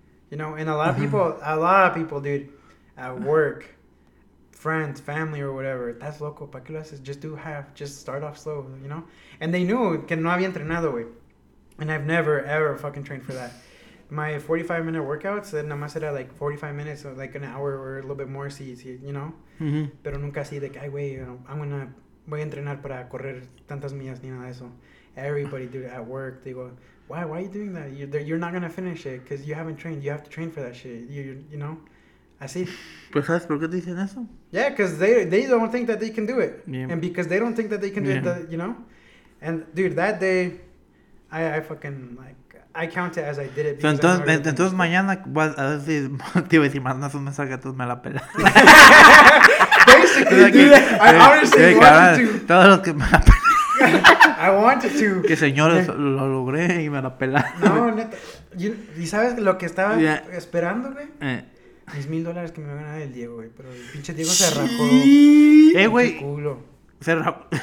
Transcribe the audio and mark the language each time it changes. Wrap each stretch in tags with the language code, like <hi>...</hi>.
<en>You know, and a lot of people, dude, at work, friends, family, or whatever, that's loco,</en> <es>¿pa' qué lo haces?</es> <en>Just start off slow, you know? And they knew</en> <es>que no había entrenado, güey.</es> <en>And I've never, ever fucking trained for that. My 45-minute workouts,</en> <es>nada más era,</es> <en>like, 45 minutes, so like, an hour or a little bit more, si, you know? Mm-hmm.</en> <es>Pero nunca así, de que, ay, güey, you know, voy a entrenar para correr tantas millas, ni nada de eso.</es> <en>Everybody do it at work. They go, why are you doing that? You're not gonna finish it, because you haven't trained. You have to train for that shit, you know?</en> <es>Así. Pues, ¿sabes por qué dicen eso?</es> <en>Yeah, because they don't think that they can do it. Yeah. And because they don't think that they can do it, you know? And, dude, that day, I fucking, like, I count it as I did it.</en> <es>So entonces mañana vas a decir, te iba a decir, mandas un mensaje, tú me la pelas.</es> <en>Basically, dude, I honestly wanted to.</en> <es>Todos los que me la pelas.</es> <en>I wanted to.</en> <es>Que señores, lo logré y me la pelas. No, neta. ¿Y sabes lo que estaba esperando, güey? $1,000 que me van a dar el Diego, güey. Pero el pinche Diego se rajó. Güey. Culo. Se rajó.</es>